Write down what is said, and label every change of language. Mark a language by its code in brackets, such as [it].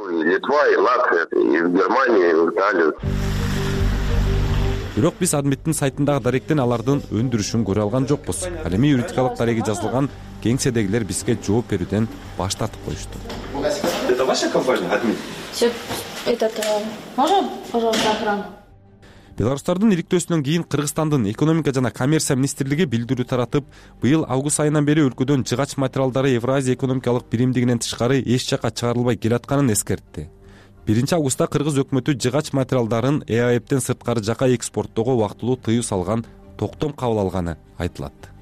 [ky] Литва, Латвия, Германия, Италия. Бирок биз Адмиттин сайтындагы даректен алардын өндүрүшүн көрө алган жокпуз. Ал эми юридикалык дареги жазылган кеңседегилер бизге жооп берүүдөн баш тартып коюшту. [ru] Это ваша компания, Адмит? Можно, пожалуйста, охрану? [ky] Беларусьтардын иликтөөсүнөн кийин Кыргызстандын экономика жана коммерция министрлиги билдирүү таратып, быйыл август айынан бери өлкөдөн жыгач материалдары Евразия экономикалык биримдигинен тышкары эч жака чыгарылбай келатканын эскертти. 1 августта кыргыз өкмөтү жыгач материалдарын ЭАЭПтен сырткары жака экспорттоого убактылуу тыюу салган токтом кабыл алганы айтылат.